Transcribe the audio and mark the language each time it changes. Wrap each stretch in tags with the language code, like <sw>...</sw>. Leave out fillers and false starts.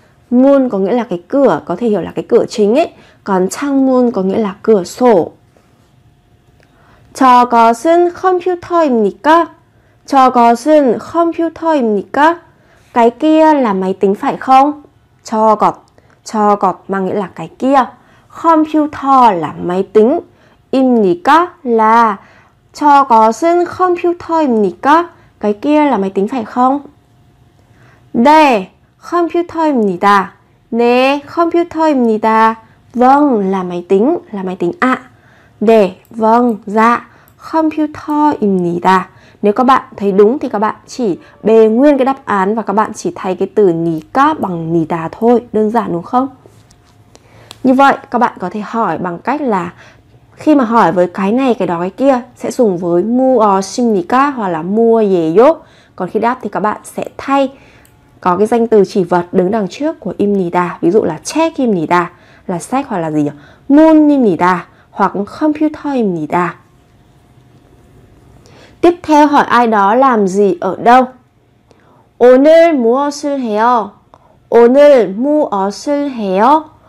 <vi>문 có nghĩa là cái cửa, có thể hiểu là cái cửa chính ấy, còn 창문 có nghĩa là cửa sổ.</vi> <ko>저것은 컴퓨터입니까? 저것은 컴퓨터입니까?</ko> <vi>Cái kia là máy tính phải không? 저것, 저것 mà nghĩa là cái kia. 컴퓨터 là máy tính.</vi> <ko>입니까 là 저것은 컴퓨터입니까?</ko> <vi>Cái kia là máy tính phải không?</vi> <ko>네, 컴퓨터입니다. 네, 컴퓨터입니다.</ko> <vi>Vâng là máy tính, là máy tính ạ.</vi> <ko>네,</ko> <vi>vâng, dạ.</vi> <ko>컴퓨터입니다.</ko> <vi>Nếu các bạn thấy đúng thì các bạn chỉ bề nguyên cái đáp án và các bạn chỉ thay cái từ 니까 bằng 니다 thôi. Đơn giản đúng không? Như vậy, các bạn có thể hỏi bằng cách là khi mà hỏi với cái này, cái đó, cái kia sẽ dùng với 무엇입니까 hoặc là 무엇이에요. Còn khi đáp thì các bạn sẽ thay có cái danh từ chỉ vật đứng đằng trước của 입니다. Ví dụ là 책입니다 là sách hoặc là gì nhỉ?</vi> <ko>문입니다 hoặc 컴퓨터입니다.</ko> <vi>Tiếp theo hỏi ai đó làm gì ở đâu?</vi> <ko>오늘 무엇을 해요? 오늘 무엇을 해요?</ko>